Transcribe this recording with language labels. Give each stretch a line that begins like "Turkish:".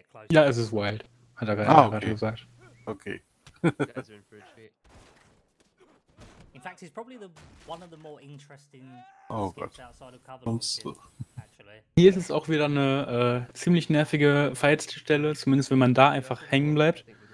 German: Ja, es ist Wild, hat er gerade gesagt. Okay.
English: In fact, it's probably one of the more interesting skips outside of cover.
German: Hier ist es auch wieder eine ziemlich nervige Fightstelle, zumindest wenn man da einfach hängen bleibt.